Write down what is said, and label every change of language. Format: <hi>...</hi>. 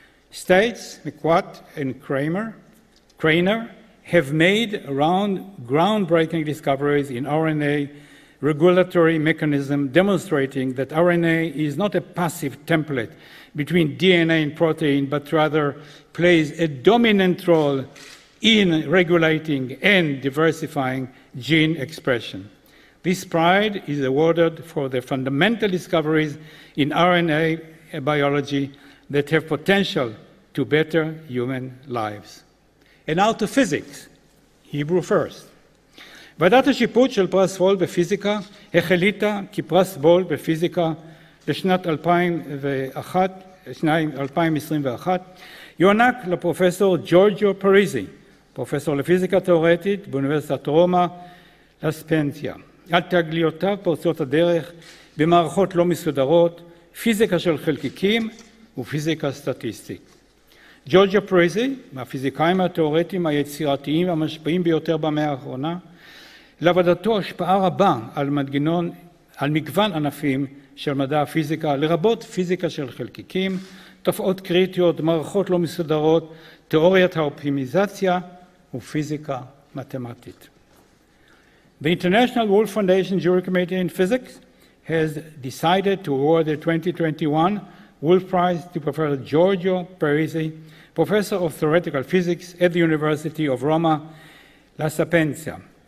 <en>States, McQuatt, and Kraner have made groundbreaking discoveries in RNA regulatory mechanism, demonstrating that RNA is not a passive template between DNA and protein, but rather plays a dominant role in regulating and diversifying gene expression. This prize is awarded for the fundamental discoveries in RNA biology that have potential to better human lives. And now to physics, Hebrew first.</en> <he>ועדת השיפוט של פרס וול בפיזיקה החליטה כי פרס וול בפיזיקה לשנת 2021 יוענק לפרופסור ג'ורג'ו פריזי, פרופסור לפיזיקה תיאורטית באוניברסיטת רומא, לספנציה. על תגליותיו פורצות הדרך במערכות לא מסודרות, פיזיקה של חלקיקים ופיזיקה סטטיסטית. ג'ורג'ו פריזי, מהפיזיקאים התיאורטיים היצירתיים והמשפיעים ביותר במאה האחרונה, לעבודתו השפעה רבה על מנגנון, על מגוון ענפים של מדע הפיזיקה, לרבות פיזיקה של חלקיקים, תופעות קריטיות, מערכות לא מסודרות, תיאוריית האופטימיזציה ופיזיקה מתמטית.</he> <en>The International Wolf Foundation Jury Committee in Physics has decided to award the 2021 Wolf Prize to Professor Giorgio Parisi, Professor of Theoretical Physics at the University of Roma, La Sapienza.</en>